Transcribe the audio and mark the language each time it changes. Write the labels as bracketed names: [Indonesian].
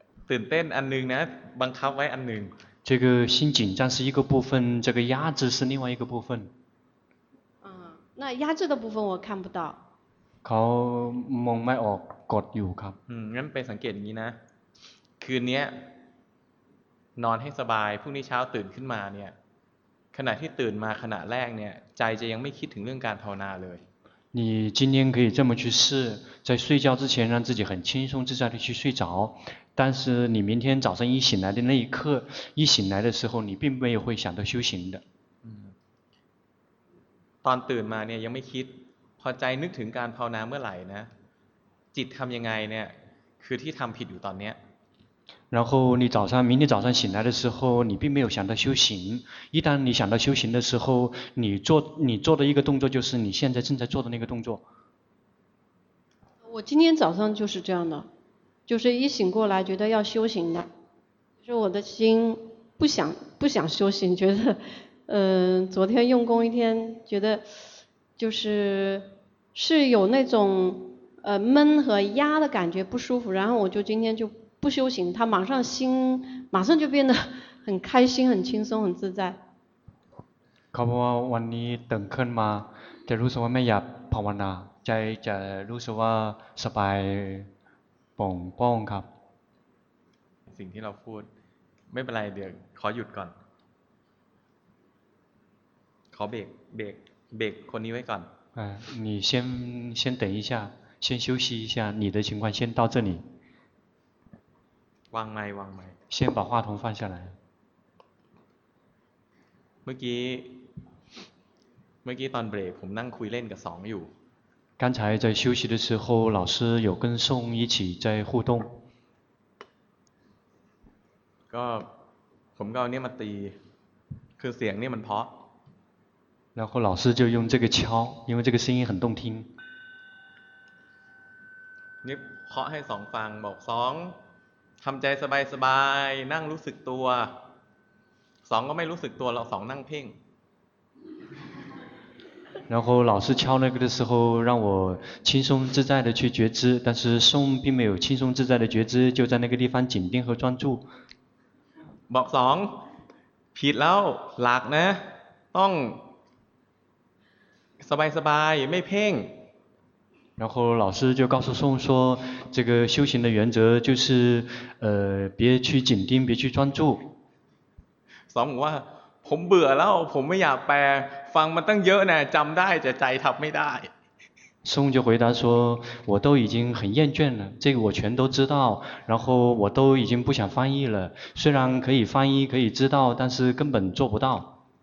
[Thai] ตื่นเต้นอันนึงนะบังคับไว้อันนึง [Chinese] 这个心紧张是一个部分这个压制是另外一个部分那压制的部分我看不到 [Thai] เขามองไม่ออกกดอยู่ครับ งั้นไปสังเกตอย่างนี้นะคืนนี้นอนให้สบายพรุ่งนี้เช้าตื่นขึ้นมาเนี่ยขณะที่ตื่นมาขณะแรกเนี่ยใจจะยังไม่คิดถึงเรื่องการภาวนาเลย [Chinese] 你今天可以这么去试在睡觉之前让自己很轻松自在地去睡着但是你明天早上一醒来的那一刻一醒来的时候你并没有会想到修行的 [Thai] ตอนตื่นมาเนี่ยยังไม่คิดพอใจนึกถึงการภาวนาเมื่อไหร่นะจิตทำยังไงเนี่ยคือที่ทำผิดอยู่ตอนเนี้ย [Chinese] 然后你早上明天早上醒来的时候你并没有想到修行一旦你想到修行的时候你做的一个动作就是你现在正在做的那个动作我今天早上就是这样的就是一醒过来觉得要修行的就是我的心不想修行觉得昨天用功一天觉得就是是有那种闷和压的感觉不舒服然后我就今天就不修行他马上心马上就变得很开心很轻松很自在 [Thai] ครับวันนี้ตื่นขึ้นมาจะรู้สึกว่าไม่อยากภาวนาใจจะรู้สึกว่าสบายป่องป้องครับ สิ่งที่เราพูดไม่เป็นไรเดี๋ยวขอหยุดก่อนขอเบรกคนนี้ไว้ก่อน [Chinese] 你先等一下先休息一下你的情况先到这里 [Thai] วางไม่ [Chinese] 先把话筒放下来 [Thai] เมื่อกี้ตอนเบรกผมนั่งคุยเล่นกับสองอยู่ [Chinese] 刚才在休息的时候老师有跟宋一起在互动 [Thai] ก็ผมก็เอาเนี่ยมาตีคือเสียงเนี่ยมันเพาะ [Chinese] 然后老师就用这个敲因为这个声音很动听 [Thai] นี่เพาะให้สองฟังบอกสองทำใจสบายสบายนั่งรู้สึกตัวสองก็ไม่รู้สึกตัวเราสองนั่งเพ่ง [Chinese] 然后老师敲那个的时候让我轻松自在的去觉知但是宋并没有轻松自在的觉知就在那个地方紧盯和专注 [Thai] บอกสองผิดแล้วหลักนะต้องสบายสบายไม่เพ่ง [Chinese] 然后老师就告诉宋说这个修行的原则就是别去紧盯别去专注 [Thai] สองว่าผมเบื่อแล้วผมไม่อยากแปลฟังมันตั้งเยอะน่ะจำได้แต่ใจทำไม่ได้ [Chinese] 宋就回答说我都已经很厌倦了这个我全都知道然后我都已经不想翻译了虽然可以翻译可以知道但是根本做不到